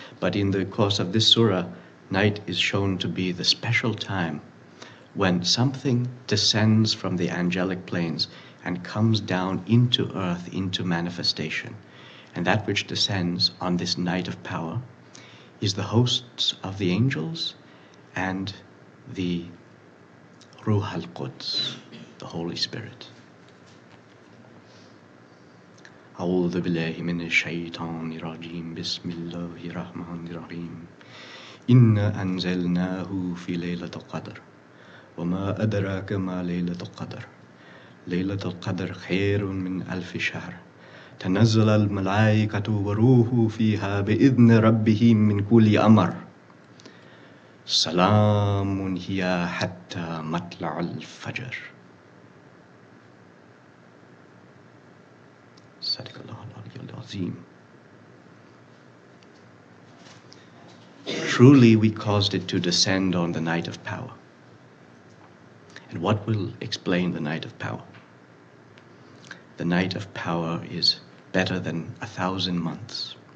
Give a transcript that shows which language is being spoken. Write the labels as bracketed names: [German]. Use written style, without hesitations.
[English] But in the course of this surah, night is shown to be the special time when something descends from the angelic planes and comes down into earth, into manifestation. And that which descends on this night of power is the hosts of the angels and the Ruach al-Quds, the Holy Spirit. [Arabic] أعوذ بالله من الشيطان الرجيم بسم الله الرحمن الرحيم إنا أنزلناه في ليلة القدر وما أدراك ما ليلة القدر ليلة القدر خير من ألف شهر تنزل الملائكة وروح فيها بإذن ربهم من كل أمر سلام هي حتى مطلع الفجر صدق الله العلي العظيم. [English] Truly we caused it to descend on the night of power. And what will explain the night of power? The night of power is better than 1,000 months.